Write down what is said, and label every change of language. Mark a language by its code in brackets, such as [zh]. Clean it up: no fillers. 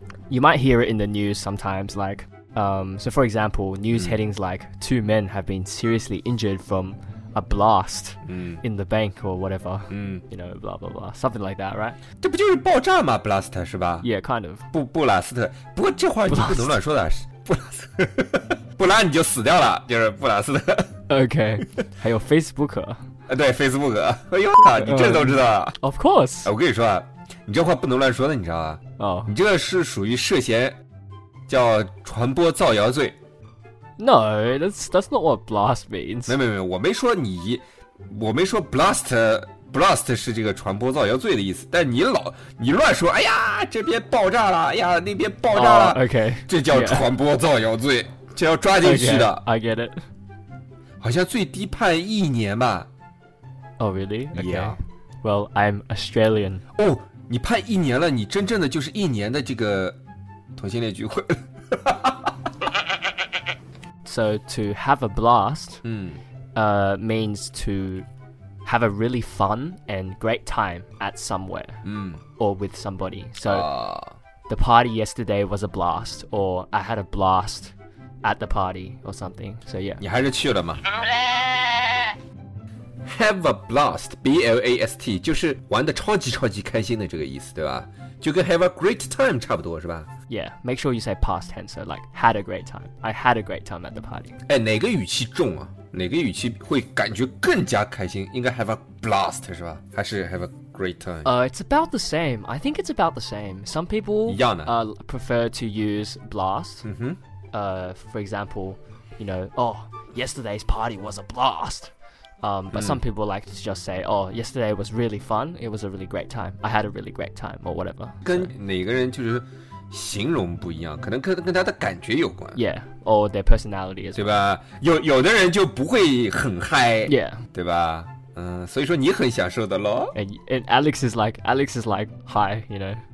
[en] You might hear it in the news sometimes, like,、so for example, news、headings like 2 men have been seriously injured from a blast、in the bank or whatever,、you know, blah blah blah, something like that, right? [zh] 这不就是爆炸吗 ？Blast 是吧 [en] ？Yeah, kind of. [zh] 布拉斯特，不过这话你不能乱说的，布拉斯特，不然你就死掉了，就是布拉斯特。 OK, 还有 Facebook. 对 Facebook, 哎呦你这都知道了。 [en] Of course. [zh] 我跟你说你这话不能乱说的你知道吧、你这是属于涉嫌叫传播造谣罪。 [en] No, that's not what blast means. [zh] 没我没说你我没说 blast 是这个传播造谣罪的意思，但你乱说哎呀这边爆炸了哎呀那边爆炸了、 [en] OK. [zh] 这叫传播造谣罪、 [en] yeah. [zh] 这要抓进去的。 [en] Okay, I get it. [zh] 好像最低判一年吧。 [en] Oh, really? Okay. Yeah. Well, I'm Australian. [zh] Oh, 你判一年了，你真正的就是一年的这个同性恋聚会。 [en] So, to have a blast, means to have a really fun and great time at somewhere, or with somebody. So, the party yesterday was a blast, or I had a blast at the party, or something. So, yeah. [zh] 你还是去了吗？ [en] Have a blast, [zh] B-L-A-S-T, 就是玩得超级超级开心的这个意思，对吧？就跟 [en] have a great time [zh] 差不多，是吧？ [en] Yeah, make sure you say past tense, like had a great time. I had a great time at the party. [zh] 哎，哪个语气重啊？哪个语气会感觉更加开心？应该 [en] have a blast, [zh] 是吧？ 还是 [en] have a great time? It's about the same. I think it's about the same. Some people [zh] 一样的、 [en] prefer to use blast. For example, you know, oh, yesterday's party was a blast. But some people like to just say, oh, yesterday was really fun. It was a really great time. I had a really great time or whatever. [zh] 跟哪个人就是形容不一样，可能跟他的感觉有关。 [en] Yeah, or their personality as well. [zh] 对吧？有的人就不会很嗨。 [en] Yeah. [zh] 对吧？所以说你很享受的咯。 [en] And Alex is like, hi, you know.